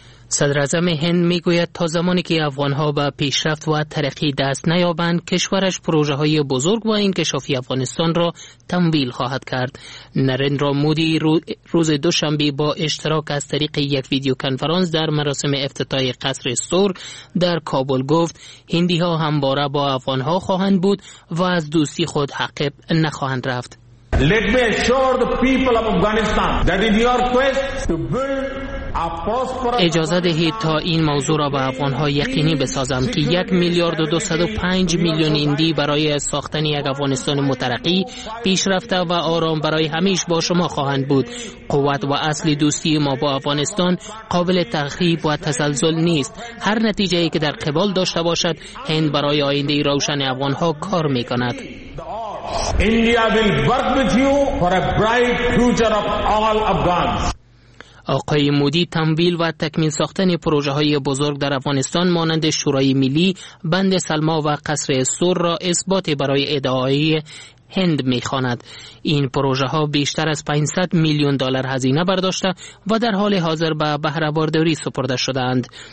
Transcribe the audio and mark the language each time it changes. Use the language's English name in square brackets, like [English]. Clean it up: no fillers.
[Persian] صدر اعظم هند میگوید تا زمانی که افغانها به پیشرفت و ترقی دست نیابند، کشورش پروژه های بزرگ و انکشافی افغانستان را تمویل خواهد کرد. نریندرا مودی روز دوشنبه با اشتراک از طریق یک ویدیو کنفرانس در مراسم افتتاح قصر سور در کابل گفت هندی ها همواره با افغانها خواهند بود و از دوستی خود عقب نخواهند رفت. [English] Let me assure the people of Afghanistan that in your quest to build a prosperous... [Persian] اجازه دهید تا این موضوع را به افغانها یقینی بسازم که 1,205,000,000 هندی برای ساختن یک افغانستان مترقی، پیشرفته و آرام برای همیش با شما خواهند بود. قوت و اصل دوستی ما با افغانستان قابل تخریب و تزلزل نیست. هر نتیجه ای که در قبال داشته باشد، هند برای آینده روشن افغانها کار می کند. [English] India will work with you for a bright future of all Afghans. [Persian] آقای مودی تمویل و تکمیل ساختن پروژه های بزرگ در افغانستان مانند شورای ملی، بند سلما و قصر سور را اثبات برای ادعای هند می خواند. این پروژه ها بیشتر از $500,000,000 هزینه برداشته و در حال حاضر به بهره برداری سپرده شده اند.